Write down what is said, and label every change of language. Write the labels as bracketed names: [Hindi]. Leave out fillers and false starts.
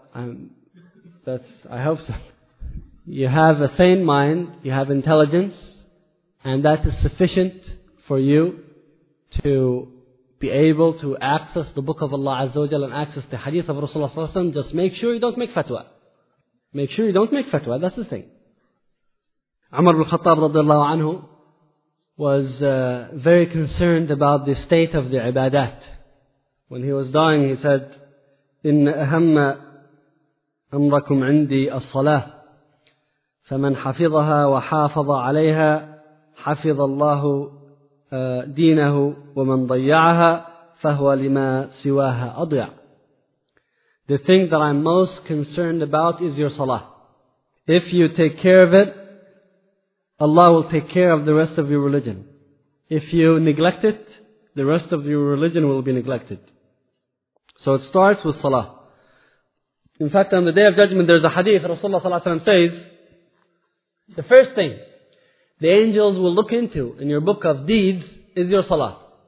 [English] I hope so. You have a sane mind, you have intelligence, and that is sufficient for you to be able to access the book of Allah Azza wa Jalla and access the hadith of Rasulullah Sallallahu Alaihi Wasallam. Just make sure you don't make fatwa. Make sure you don't make fatwa, that's the thing. Umar ibn al-Khattab radiallahu anhu was very concerned about the state of the ibadat. When he was dying, he said, [Arabic] إِنَّ أَهَمَّ أَمْرَكُمْ عِنْدِي الصَّلَاةِ فَمَنْ حَفِظَهَا وَحَافَظَ عَلَيْهَا حَفِظَ اللَّهُ دِينَهُ وَمَنْ ضَيَّعَهَا فَهُوَ لِمَا سِوَاهَا أَضْيَعَ. [English] The thing that I'm most concerned about is your salah. If you take care of it, Allah will take care of the rest of your religion. If you neglect it, the rest of your religion will be neglected. So it starts with salah. In fact, on the Day of Judgment, there's a hadith, Rasulullah ﷺ says, the first thing the angels will look into in your book of deeds is your salah.